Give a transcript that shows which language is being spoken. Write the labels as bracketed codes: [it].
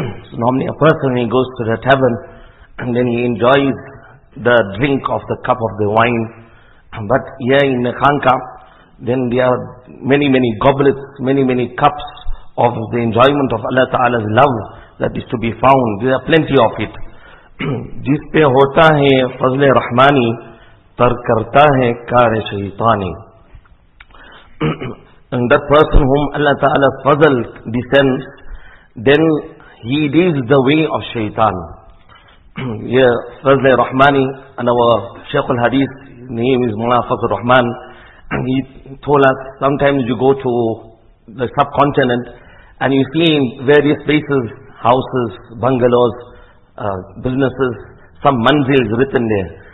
[en] So normally a person, he goes to the tavern and then he enjoys the drink of the cup of the wine, but here in the khanqah then there are many many goblets, many many cups of the enjoyment of Allah ta'ala's love that is to be found. There are plenty of it. [ur] جس پہ ہوتا ہے فضل رحمانی، تر کرتا ہے کار شیطانی. [en] And that person whom Allah Ta'ala فضل descends, then he leaves the way of shaitan. Yeah, فضل رحمانی, and our Shaykh al-Hadith, name is Mullah Fazlur Rahman, and he told us, sometimes you go to the subcontinent and you see in various places, houses, bungalows, businesses, some manzils written there.